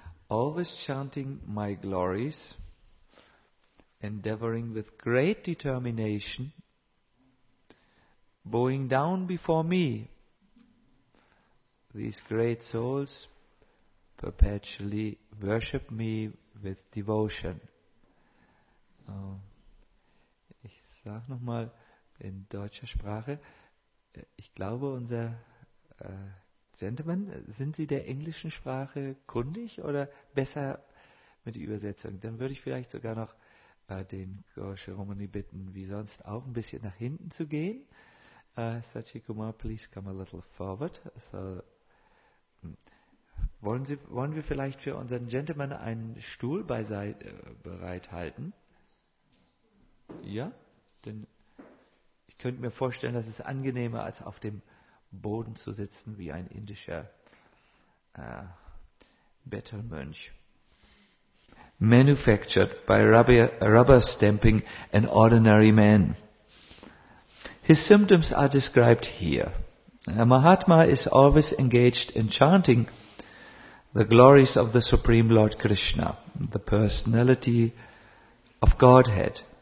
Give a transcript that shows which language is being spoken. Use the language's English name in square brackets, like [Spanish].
[English] Always chanting my glories, endeavoring with great determination, bowing down before me, these great souls perpetually worship me with devotion. [German] Ich sage nochmal in deutscher Sprache, ich glaube unser Gentlemen, sind Sie der englischen Sprache kundig oder besser mit der Übersetzung? Dann würde ich vielleicht sogar noch den Gosha Romani bitten, wie sonst auch ein bisschen nach hinten zu gehen. [English] Sachi Kumar, please come a little forward. [German] So, wollen wir vielleicht für unseren Gentleman einen Stuhl bereithalten? Ja, denn ich könnte mir vorstellen, dass es angenehmer als auf dem Boden zu sitzen wie ein indischer Bettelmönch. [English] Manufactured by rubber stamping an ordinary man. His symptoms are described here. A Mahatma is always engaged in chanting the glories of the Supreme Lord Krishna, the personality of Godhead.